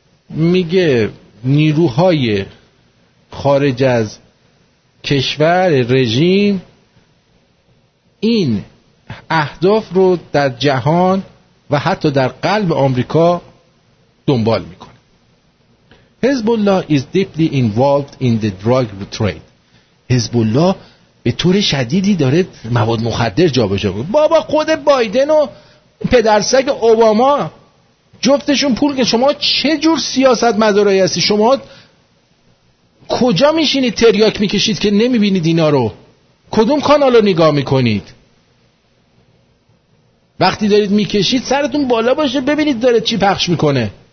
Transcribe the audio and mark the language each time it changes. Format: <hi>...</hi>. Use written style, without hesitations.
<fa>میگه نیروهای خارج از کشور رژیم این اهداف رو در جهان و حتی در قلب آمریکا دنبال میکنه.</fa> <en>حزب الله is deeply involved in the drug trade.</en> <fa>حزب الله به طور شدیدی داره مواد مخدر جابجا میکنه. بابا خود بایدن و پدرسگ اوباما جفتشون پول که شما چه جور سیاست مدارایی هستی؟ شما کجا میشینید تریاک میکشید که نمیبینید اینا رو؟ کدوم کانال رو نگاه میکنید؟ وقتی دارید میکشید سرتون بالا باشه ببینید داره چی پخش میکنه.</fa>